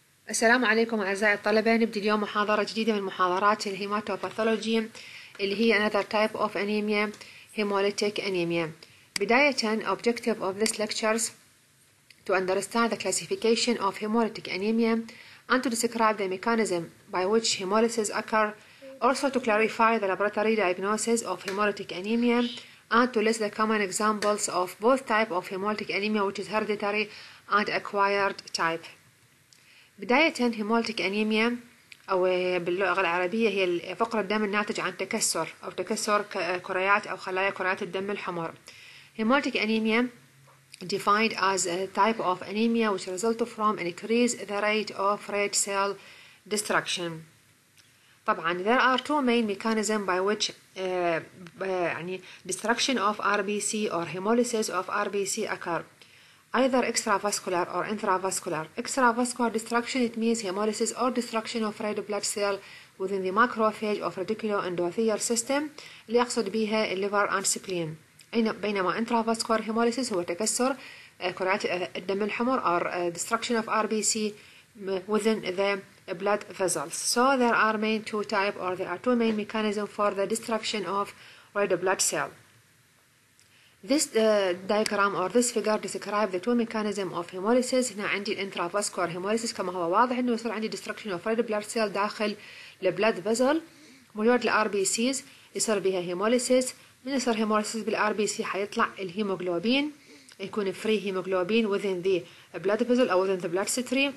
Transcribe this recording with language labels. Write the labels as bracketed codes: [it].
[ar] السلام عليكم أعزائي الطلبة، نبدأ اليوم محاضرة جديدة من محاضرات الهيماتوباثولوجي اللي هي [en] another type of anemia hemolytic anemia. بداية objective of this lectures to understand the classification of hemolytic anemia and to describe the mechanism by which hemolysis occur, also to clarify the laboratory diagnosis of hemolytic anemia and to list the common examples of both type of hemolytic anemia which is hereditary and acquired type. [ar] بداية هيمولتيك أنيميا أو باللغة العربية هي فقر الدم الناتج عن تكسر أو تكسر كريات أو خلايا كريات الدم الحمر. [en] Hemolytic anemia defined as a type of anemia which result from increase the rate of red cell destruction. طبعا there are two main mechanism by which يعني destruction of RBC or hemolysis of RBC occur. Either extravascular or intravascular. Extravascular destruction, it means hemolysis or destruction of red blood cell within the macrophage or reticuloendothelial system. [ar] اللي أقصد بها [en] liver and spleen. بينما intravascular hemolysis [ar] هو تكسر كريات الدم الحمر [en] or destruction of RBC within the blood vessels. So there are main two type or there are two main mechanism for the destruction of red blood cell. This diagram or this figure describes the two mechanisms of hemolysis. [ar] هنا عندي [en] intravascular hemolysis [ar] كما هو واضح إنه يصير عندي [en] destruction of red blood cell [ar] داخل [en] the blood vessel. [ar] مجرد ال RBCs يصير بها hemolysis. من يصير hemolysis بال RBC حيطلع الهيموغلوبين يكون [en] free hemoglobin within the blood vessel [ar] أو [en] within the blood stream.